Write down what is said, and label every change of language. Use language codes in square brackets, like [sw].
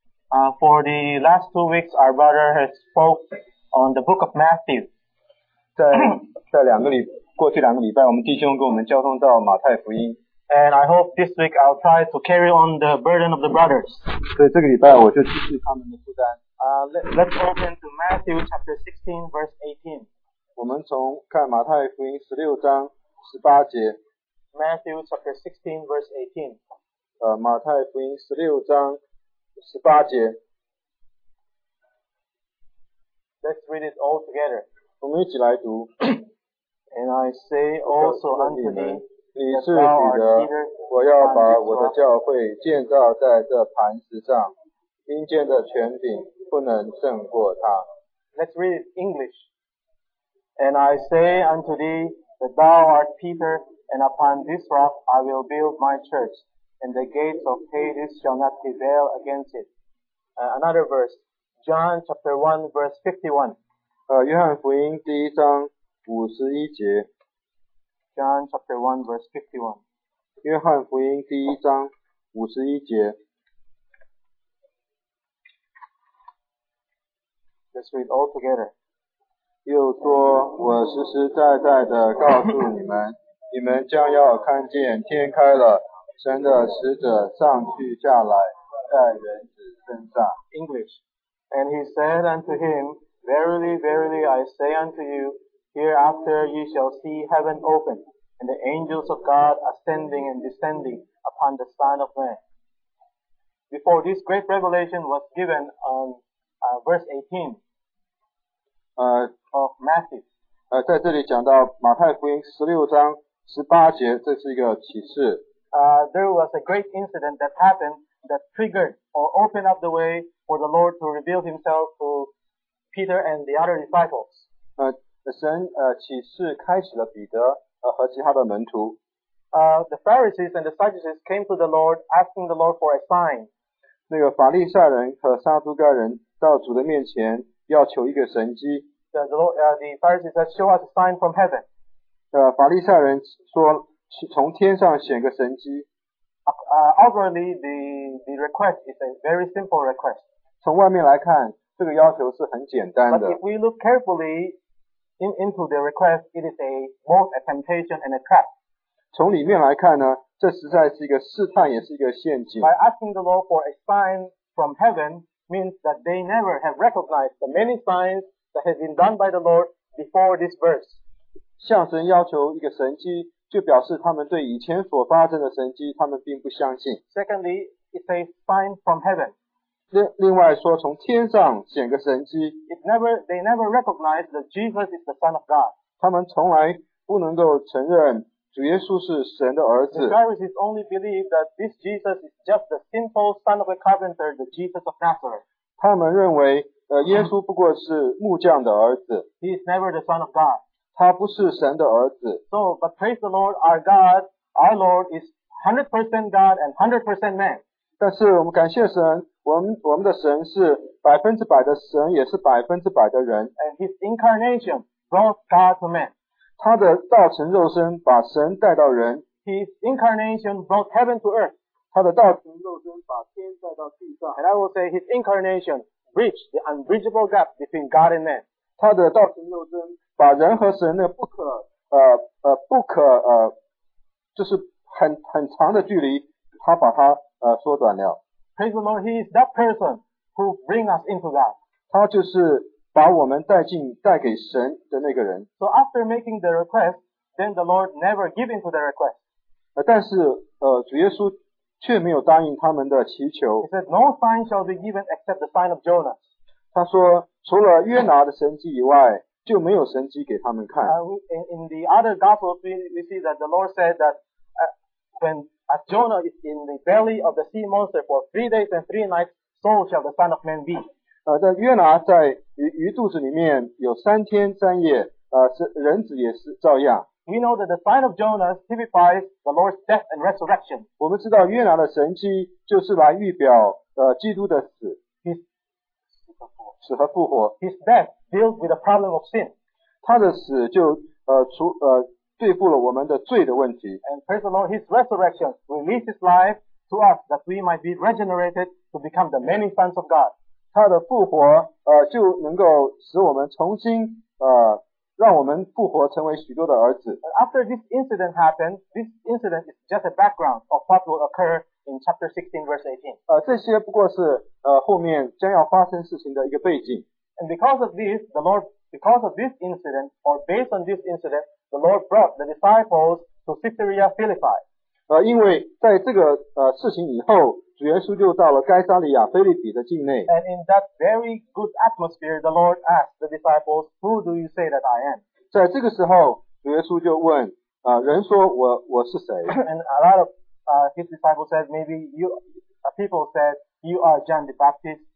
[en] For the last 2 weeks, our brother has spoke on the book of Matthew. [zh] 在两个礼过去两个礼拜，我们弟兄跟我们交通到马太福音。 [en] And I hope this week I'll try to carry on the burden of the brothers. [zh] 所以这个礼拜我就继续他们的负担。 [en] Let's open to Matthew chapter 16, verse 18. [zh] 我们从看马太福音16章18节。 [en] Matthew chapter 16, verse [zh] 18. 马太福音16章18节。 [en] Let's read it all together. [zh] 我们一起来读。 [en] And I say also unto thee, [zh] 你是彼得，我要把我的教会建造在这磐石上，阴间的权柄不能胜过他。 [en] Let's read it English. And I say unto thee that thou art Peter, and upon this rock I will build my church, and the gates of Hades shall not prevail against it. Another verse, John chapter 1 verse 51. [zh] 约翰福音第一章五十一节。 [en] John chapter 1 verse 51. [zh] 约翰福音第一章五十一节。 [en] Let's read all together. [zh] 又说，我实实在在的告诉你们，你们将要看见天开了，神的使者上去下来，在人子身上。 [en] English. And he said unto him, Verily, verily, I say unto you, Hereafter you shall see heaven open. And the angels of God ascending and descending upon the Son of Man. Before this great revelation was given on verse 18 of Matthew. [zh] 在这里讲到马太福音16章18节，这是一个启示。 [en] There was a great incident that happened that triggered or opened up the way for the Lord to reveal himself to Peter and the other disciples. [zh] 神启示开启了彼得。和其他的门徒。 [en] The Pharisees and the Sadducees came to the Lord, asking the Lord for a sign. [zh] 那个法利赛人和撒都该人到主的面前要求一个神迹。 [en] The Pharisees said, "Show us a sign from heaven." [zh] 法利赛人说，从天上显个神迹。 [en] Outwardly, the request is a very simple request. [zh] 从外面来看，这个要求是很简单的。 [en] But if we look carefully,into the request, it is both a temptation and a trap. [zh] 从里面来看呢，这实在是一个试探，也是一个陷阱。 [en] By asking the Lord for a sign from heaven means that they never have recognized the many signs that have been done by the Lord before this verse. [zh] 向神要求一个神迹，就表示他们对以前所发生的神迹，他们并不相信。 [en] Secondly, it's a sign from heaven. [zh] 另外说，从天上显个神迹。 [en] They never recognize that Jesus is the Son of God. [zh] 他们从来不能够承认主耶稣是神的儿子。 [en] The Pharisees only believe that this Jesus is just the simple son of a carpenter, the Jesus of Nazareth. [zh] 他们认为，耶稣不过是木匠的儿子。 [en] He is never the Son of God. [zh] 他不是神的儿子。 [en] So, but praise the Lord, our God, our Lord is 100% God and 100% man. [zh] 但是我们感谢神。我们的神是百分之百的神，也是百分之百的人。 [en] And his incarnation brought God to man. [zh] 他的道成肉身把神带到人。 [en] His incarnation brought heaven to earth. [zh] 他的道成肉身把天带到地上。 [en] And I will say his incarnation bridged the unbridgeable gap between God and man. [zh] 他的道成肉身把人和神的不可就是很长的距离，他把它缩短了。 [en] Praise the Lord, He is that person who brings us into God. [zh] 他就是把我们带给神的那个人。 [en] So after making the request, then the Lord never gives in to the request. [zh] 但是主耶稣却没有答应他们的祈求。 [en] He said, No sign shall be given except the sign of Jonah. [zh] 他说，除了约拿的神迹以外，就没有神迹给他们看。 [en] In the other Gospels, we see that the Lord said that As Jonah is in the belly of the sea monster for 3 days and 3 nights, so shall the Son of Man be. [zh] 但约拿在鱼肚子里面有三天三夜，人子也是照样。 [en] We know that the sign of Jonah typifies the Lord's death and resurrection. [zh] 我们知道约拿的神迹就是来预表基督的死。死和复活。 [en] His death deals with the problem of sin. [zh] 他的死就对付了我们的罪的问题。 [en] And praise the Lord, his resurrection releases life to us that we might be regenerated to become the many sons of God. [zh] 他的复活就能够使我们重新让我们复活成为许多的儿子。 [en] But after this incident happened, this incident is just a background of what will occur in chapter 16, verse 18. [zh] 这些不过是后面将要发生事情的一个背景。 [en] And because of this, the Lord, because of this incident, or based on this incident, the Lord brought the disciples to Caesarea Philippi. [zh] 因为在这个事情以后，主耶稣就到了该撒利亚腓立比的境内。 [en] And in that very good atmosphere, the Lord asked the disciples, "Who do you say that I am?" [zh] 在这个时候，主耶稣就问，人说我是谁？ [en] And a lot of his disciples said, maybe you, people said, you are John the Baptist.